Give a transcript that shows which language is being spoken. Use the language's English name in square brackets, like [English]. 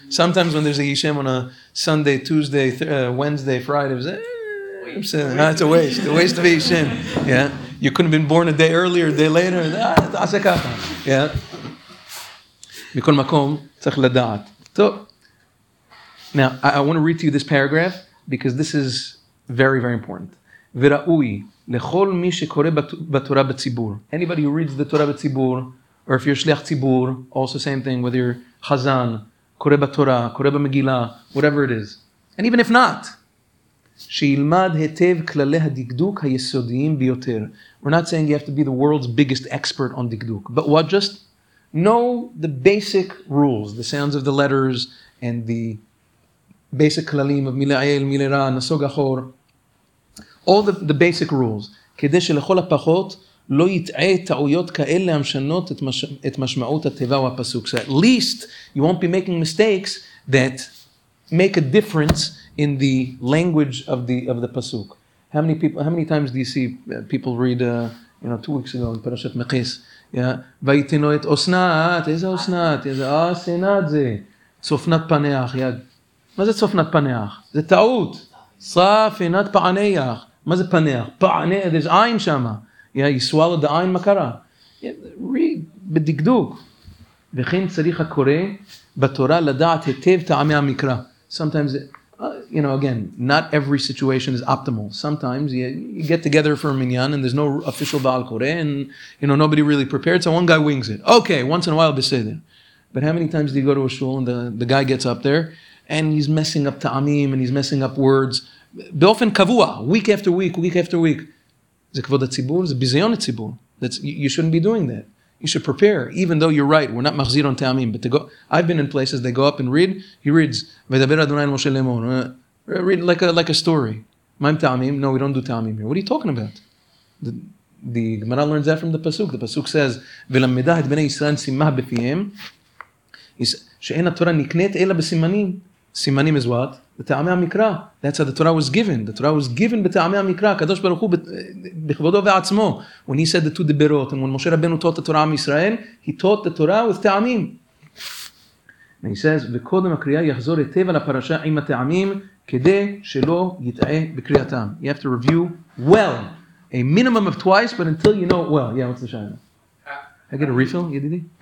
[English] Sometimes when there's a Yishem on a Sunday, Tuesday, Wednesday, Friday, it's a waste. A waste of a Yishem. Yeah. You couldn't have been born a day earlier, a day later. [Hebrew] Yeah. Mikol makom, tzach ladat. [English] So, now, I want to read to you this paragraph because this is very, very important. [Hebrew] Vera'ui. לכל מי שקורא בתורה בציבור. [English] Anybody who reads the Torah בציבור, or if you're שליח ציבור, also same thing, whether you're חזן, קורא בתורה, קורא במגילה, whatever it is. And even if not, [Hebrew] שילמד היטב כללי הדקדוק היסודיים ביותר. [English] We're not saying you have to be the world's biggest expert on דקדוק, but what just? Know the basic rules, the sounds of the letters, and the basic כללים of מילעיל, מילרע, נסוג אחור. All the basic rules. [Hebrew] כדי שלכל הפחות לא יטעה טעויות כאלה המשנות את משמעות התיבה או הפסוק. [English] So at least you won't be making mistakes that make a difference in the language of the pasuk. How many times do you see people read, you know, 2 weeks ago in Parashat Mekis? [Hebrew] ויתנו את אוסנת, איזה אוסנת? איזה אוסנת זה? צופנת פניח. מה זה צופנת פניח? זה טעות. צפנת פעניח. מה זה פניח? פעניח, [English] there's [Hebrew] עין שם. [English] Yeah, you swallowed the עין, [Hebrew] מה קרה? [English] Read, בדקדוק. [Hebrew] וכן צריך הקורא בתורה לדעת היטב טעמי המקרא. [English] Sometimes, you know, again, not every situation is optimal. Sometimes you get together for a minyan and there's no official בעל קורא and, you know, nobody really prepared, so one guy wings it. Okay, once in a while, בסדר. But how many times do you go to a shul and the guy gets up there and he's messing up טעמים and he's messing up words. [Hebrew] באופן קבוע, [English] week after week, week after week. [Hebrew] זה כבוד הציבור, זה ביזיון הציבור. [English] You shouldn't be doing that. You should prepare, even though you're right, we're not מחזיר on טעמים. But I've been in places, they go up and read, he reads, [Hebrew] וידבר אדוני אל משה לאמור. [English] Read like a story. [Hebrew] מה עם טעמים? [English] No, we don't do טעמים here. What are you talking about? The Gemara learns that from the Pasuk. The Pasuk says, [Hebrew] ולמדה את בני ישראל סימה בפיהם, שאין התורה נקנית אלא בסימנים. [English] סימנים is what? [Hebrew] בטעמי המקרא. [English] That's how the Torah was given. The Torah was given [Hebrew] בטעמי המקרא. הקדוש ברוך הוא בכבודו ועצמו. [English] When he said the two דיברות, and when משה רבנו taught the Torah עם ישראל, he taught the Torah with טעמים. And he says, [Hebrew] וקודם הקריאה יחזור היטב על הפרשה עם הטעמים, כדי שלא יטעה בקריאתם. [English] You have to review well. A minimum of twice, but until you know it well. Yeah, what's the shayla? I get a refill, ידידי?